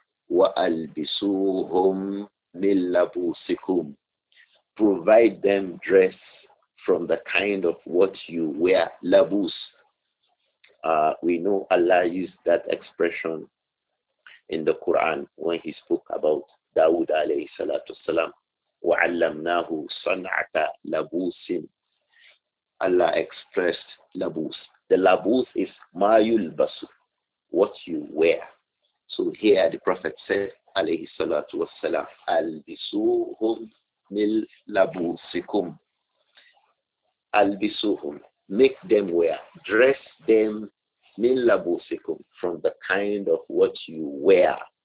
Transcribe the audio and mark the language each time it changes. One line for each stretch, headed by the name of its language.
Arabic: Wa albisuhum min labusikum,
English: provide them dress from the kind of what you wear. Labus. We know Allah used that expression in the Quran when he spoke about
Arabic: داود عليه الصلاة والسلام وعلمناه صنعة لبوس.
English: Allah expressed labus. The labus is ma yulbasu, what you wear. So here the Prophet said, alayhi salatu wassalam,
Arabic: albisuhum mil labusikum.
English: Albisuhum, make them wear, dress them
Arabic: mil labusikum,
English: from the kind of what you wear.